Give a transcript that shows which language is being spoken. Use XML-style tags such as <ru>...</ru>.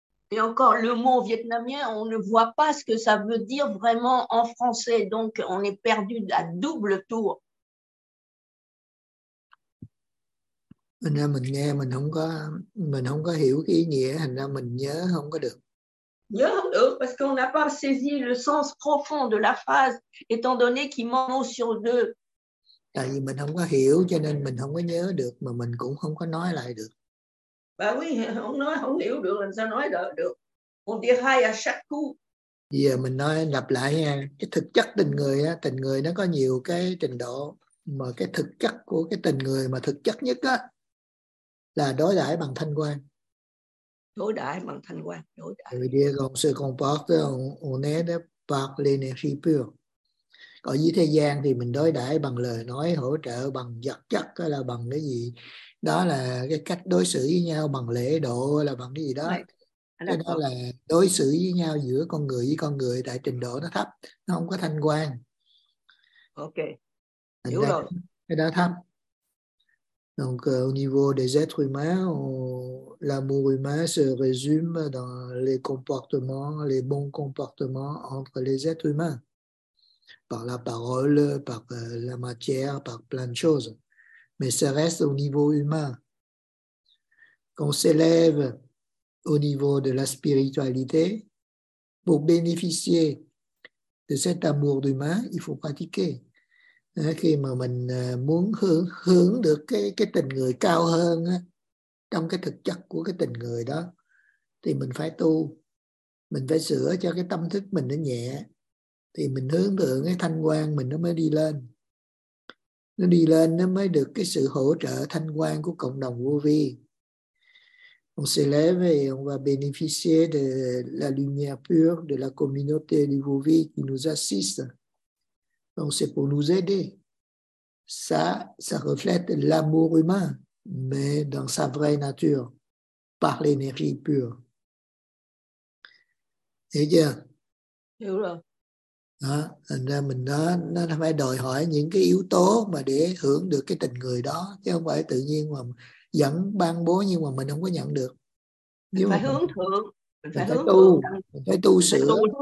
<fr>Et encore, le mot vietnamien, on ne voit pas ce que ça veut dire vraiment en français. Donc, on est perdu à double tour.</fr> <vi>Thành ra mình nghe mình không có hiểu cái ý nghĩa, thành ra mình nhớ không có được. Nhớ không được,</vi> <fr>parce qu'on n'a pas saisi le sens profond de la phrase, étant donné qu'il mange sur deux.</fr> <vi>Tại vì mình không có hiểu cho nên mình không có nhớ được, mà mình cũng không có nói lại được.</vi> <fr>Bah oui, on</fr> <vi>nói không hiểu được, làm sao nói được.</vi> <fr>On dit hai à chaque coup.</fr> <vi>Giờ mình nói lặp lại nha, cái thực chất tình người nó có nhiều cái trình độ, mà cái thực chất của cái tình người mà thực chất nhất á là đối đãi bằng thanh quan. Đối đãi bằng thanh quan, đối đãi.</vi> <fr>Le dire qu'on se comporte on est par l'énergie pure.</fr> <vi>Ở dưới thế gian thì mình đối đãi bằng lời nói, hỗ trợ, bằng vật chất, là bằng cái gì đó, là cái cách đối xử với nhau bằng lễ độ, là bằng cái gì đó. Cái đó là đối xử với nhau giữa con người với con người, tại trình độ nó thấp, nó không có thanh quan. Ok, hiểu rồi. Cái đó thấp.</vi> <fr>Donc au niveau des êtres humains, l'amour humain se résume dans les comportements, les bons comportements entre les êtres humains. Par la parole, par la matière, par plein de choses. Mais ça reste au niveau humain. Qu'on s'élève au niveau de la spiritualité, pour bénéficier de cet amour humain, il faut pratiquer.</fr> <vi>Khi mà mình muốn hướng được cái tình người cao hơn trong cái thực chất của cái tình người đó, thì mình phải tu, mình phải sửa cho cái tâm thức mình nó nhẹ, thì mình hướng tượng cái thanh quan mình nó mới đi lên. Nó đi lên nó mới được cái sự hỗ trợ thanh quan của cộng đồng vô vi.</vi> <fr>On s'élève et on va bénéficier de la lumière pure de la communauté du vô vi qui nous assiste. Donc c'est pour nous aider. Ça reflète l'amour humain, mais dans sa vraie nature, par l'énergie pure. Et bien.</fr> <vi>Đó, thành ra mình nó phải đòi hỏi những cái yếu tố mà để hưởng được cái tình người đó, chứ không phải tự nhiên mà dẫn ban bố nhưng mà mình không có nhận được. Nếu phải hướng thượng, mình phải tu sửa.</vi>